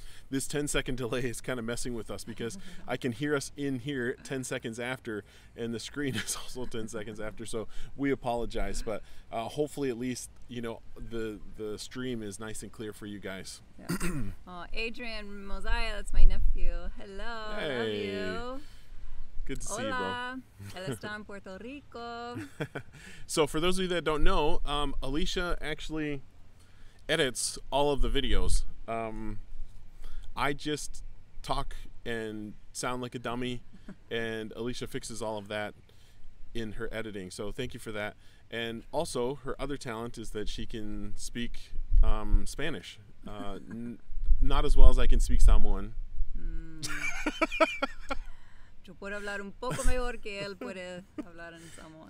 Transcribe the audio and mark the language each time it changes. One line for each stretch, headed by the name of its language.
English: This 10-second delay is kind of messing with us because I can hear us in here 10 seconds after, and the screen is also 10 seconds after, so we apologize, but hopefully at least, you know, the stream is nice and clear for you guys. Yeah. Oh, Adrian Mosiah, that's my nephew. Hello, hey. Love you. Good to see you, bro.
Spanish: Hola, ¿está en Puerto Rico?
English: So for those of you that don't know, Alicia actually edits all of the videos. I just talk and sound like a dummy, and Alicia fixes all of that in her editing. So thank you for that. And also, her other talent is that she can speak Spanish. not as well as I can speak Samoan.
Spanish: Yo puedo hablar un poco mejor que él puede hablar en Samoa.